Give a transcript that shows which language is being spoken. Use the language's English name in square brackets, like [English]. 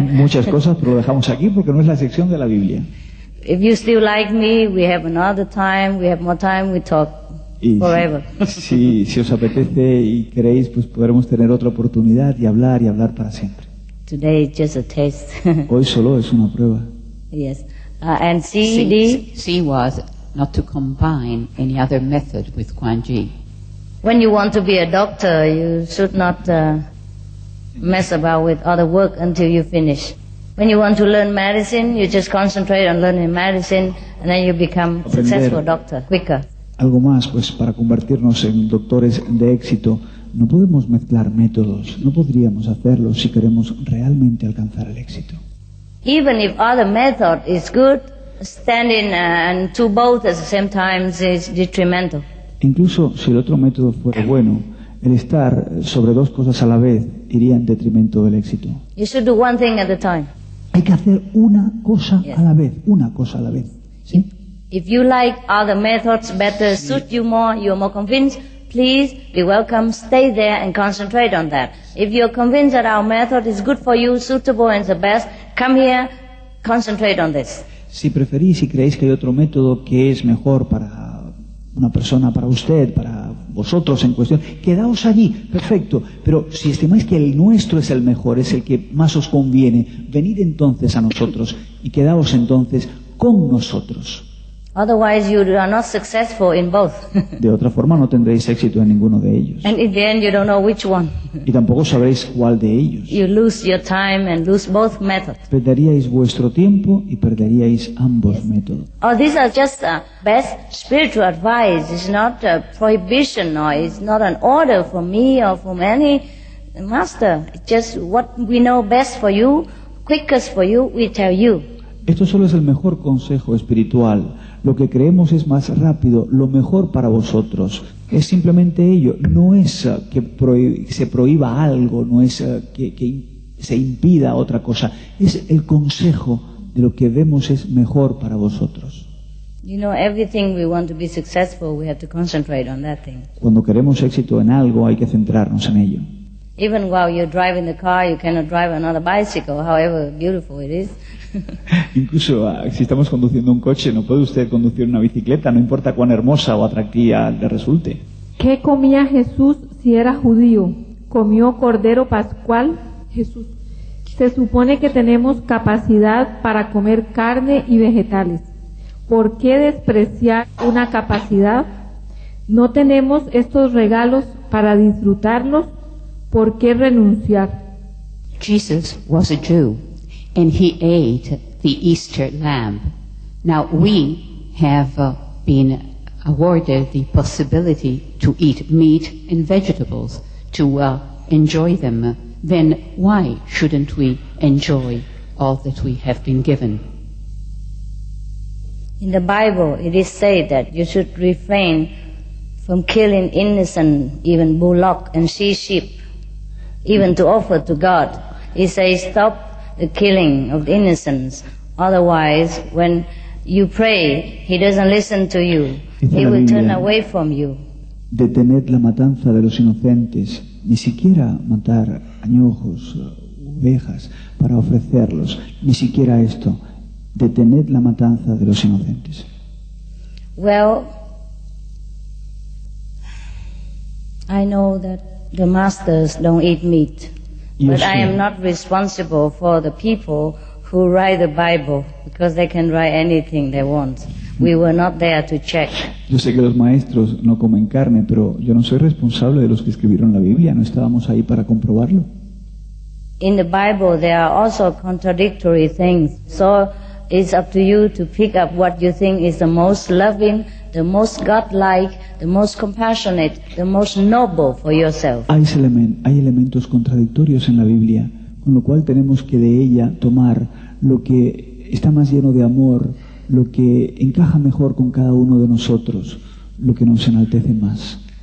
[Spanish] Muchas cosas, pero lo dejamos aquí porque no es la sección de la Biblia. [English] If you still like me, we have another time. We have more time. We talk forever. [Spanish] Si os apetece y queréis, pues podremos tener otra oportunidad y hablar para siempre. [English] Today is just a taste. [Spanish] Hoy solo es una prueba. [English] Yes, and CD. C was not to combine any other method with Quan Yi. When you want to be a doctor, you should not mess about with other work until you finish. When you want to learn medicine, you just concentrate on learning medicine, and then you become a successful doctor quicker. [Spanish] Algo más, pues, para convertirnos en doctores de éxito, no podemos mezclar métodos. No podríamos hacerlo si queremos realmente alcanzar el éxito. [English] Even if other method is good, standing and two both at the same time is detrimental. [Spanish] Incluso si el otro método fuera bueno, el estar sobre dos cosas a la vez iría en detrimento del éxito. [English] You should do one thing at a time. [Spanish] Hay que hacer una cosa a la vez, una cosa a la vez. ¿Sí? [English] If you like other methods better, suit you more, you're more convinced, please be welcome, stay there and concentrate on that. If you're convinced that our method is good for you, suitable and the best, come here, concentrate on this. [Spanish] Si preferís y creéis que hay otro método que es mejor para una persona, para usted, para vosotros en cuestión, quedaos allí, perfecto. Pero si estimáis que el nuestro es el mejor, es el que más os conviene, venid entonces a nosotros y quedaos entonces con nosotros. [English] Otherwise you are not successful in both. [Spanish] De otra forma no tendréis éxito en ninguno de ellos. [English] And in the end you don't know which one. [Spanish] Y tampoco sabréis cuál de ellos. [English] You lose your time and lose both methods. [Spanish] Perderíais vuestro tiempo y perderíais ambos métodos. [English] Oh, these are just best spiritual advice. It's not a prohibition or it's not an order for me or for any master. It's just what we know best for you, quickest for you, we tell you. [Spanish] Esto solo es el mejor consejo espiritual. Lo que creemos es más rápido, lo mejor para vosotros. Es simplemente ello. No es que se prohíba algo, no es que se impida otra cosa. Es el consejo de lo que vemos es mejor para vosotros. [English] You know, everything we want to be successful, we have to concentrate on that thing. [Spanish] Cuando queremos éxito en algo, hay que centrarnos en ello. [English] Even while you're driving the car, you cannot drive another bicycle, however beautiful it is. [Spanish] Incluso si estamos conduciendo un coche, no puede usted conducir una bicicleta, no importa cuán hermosa o atractiva le resulte. ¿Qué comía Jesús si era judío? ¿Comió cordero pascual? Jesús, se supone que tenemos capacidad para comer carne y vegetales. ¿Por qué despreciar una capacidad? ¿No tenemos estos regalos para disfrutarlos? ¿Por qué renunciar? [English] Jesus was a Jew, and he ate the Easter lamb. Now we have been awarded the possibility to eat meat and vegetables, to enjoy them. Then why shouldn't we enjoy all that we have been given? In the Bible, it is said that you should refrain from killing innocent, even bullock and she sheep, even to offer to God. He says, stop the killing of the innocents. Otherwise, when you pray, he doesn't listen to you. He will turn away from you. [Spanish] Detener la matanza de los inocentes, ni siquiera matar añojos, ovejas, para ofrecerlos, ni siquiera esto. Detener la matanza de los inocentes. [English] Well, I know that the masters don't eat meat, but I am not responsible for the people who write the Bible, because they can write anything they want. We were not there to check. [Spanish] Yo sé que los maestros no comen carne, pero yo no soy responsable de los que escribieron la Biblia. No estábamos ahí para comprobarlo. [English] In the Bible, there are also contradictory things. So it's up to you to pick up what you think is the most loving, the most godlike, the most compassionate, the most noble for yourself. [Spanish] Hay elementos contradictorios en la Biblia, con lo cual tenemos que de ella tomar lo que está más lleno de amor, lo que encaja mejor con cada uno de nosotros, lo que nos enaltece más.